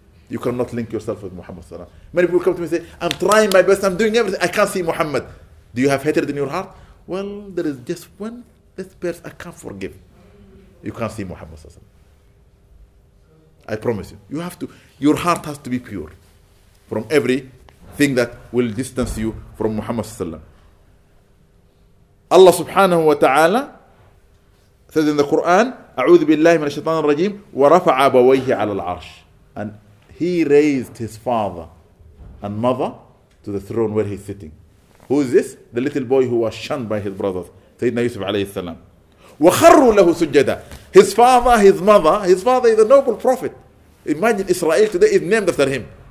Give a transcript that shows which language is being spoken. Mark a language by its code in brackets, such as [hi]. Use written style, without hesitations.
[en] You cannot link yourself with Muhammad. Many people come to me and say, I'm trying my best, I'm doing everything, I can't see Muhammad. Do you have hatred in your heart? Well, there is just one, this person I can't forgive. You can't see Muhammad. I promise you. You have to, your heart has to be pure from every thing that will distance you from Muhammad [ar] sallallahu alaihi wasallam. [en] Allah subhanahu wa ta'ala says in the Quran, [ar] أعوذ بالله من الشيطان الرجيم ورفع أبويه على العرش. [en] And he raised his father and mother to the throne where he's sitting. Who is this? The little boy who was shunned by his brothers, Sayyidina Yusuf alayhi salam. [ar] وَخَرُّوا لَهُ سُجَّدًا. [en] His father, his mother, his father is a noble prophet. Imagine Israel today is named after him.